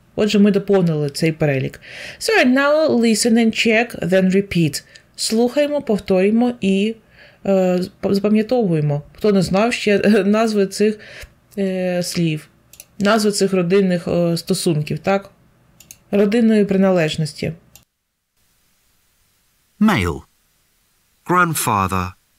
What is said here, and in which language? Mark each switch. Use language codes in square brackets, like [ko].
[uk] Отже, ми доповнили цей перелік. [en] So, and now listen and check, then repeat. [uk] Слухаємо, повторюємо і запам'ятовуємо, хто не знав ще назви цих слів, назви цих родинних стосунків, так? Родинної приналежності. [en] Male. Grandfather.